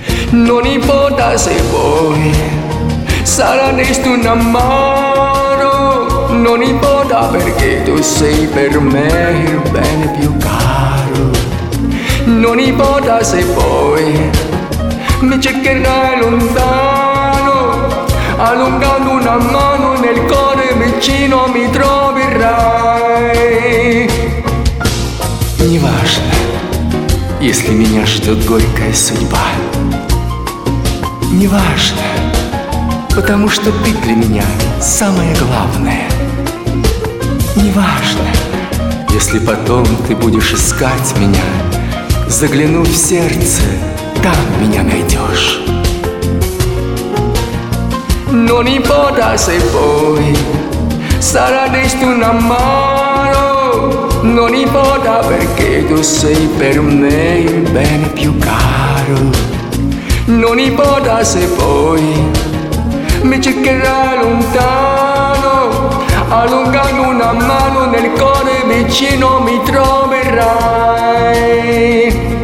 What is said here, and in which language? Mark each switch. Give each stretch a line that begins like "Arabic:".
Italian: Non importa se poi sarà destino un amaro, non importa perché tu sei per me il bene più caro. Non importa se poi mi cercherai lontano, allungando una mano nel cuore vicino mi troverai.
Russian: Неважно, если меня ждет горькая судьба. Неважно, потому что ты для меня самое главное. Неважно, если потом ты будешь искать меня, загляну в сердце, там меня найдешь.
Italian: Non importa se poi sarà destino un amaro, non importa perché tu sei per me il bene più caro. Non importa se poi mi cercherai lontano, allungando una mano nel cuore vicino mi troverai.